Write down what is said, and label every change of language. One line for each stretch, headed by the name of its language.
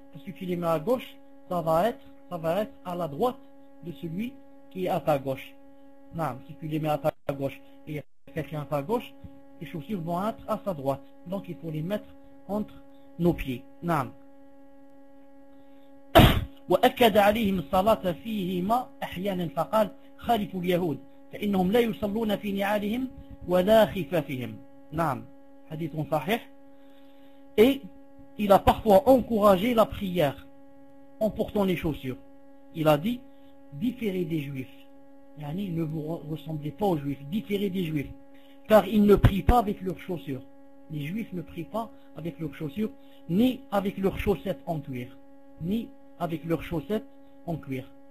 French: Parce que si tu les mets à gauche, ça va être à la droite de celui qui est à ta gauche. Non, si tu les mets à ta gauche et quelqu'un à ta gauche, les chaussures vont être à sa droite. Donc il faut les mettre entre nos pieds. Non.
Arabic: وأكد عليهم الصلاة فيهما أحيانا فقال خالفوا اليهود فإنهم لا يصلون في نعالهم ولا خفافهم. نعم. حديث صحيح.
French: Et il a parfois encouragé la prière en portant les chaussures. Il a dit, différez des juifs. Yani, ne vous ressemblez pas aux juifs, différez des juifs, car ils ne prient pas avec leurs chaussures. Les juifs ne prient pas avec leurs chaussures, ni avec leurs chaussettes en cuir, ni avec leurs chaussettes en cuir.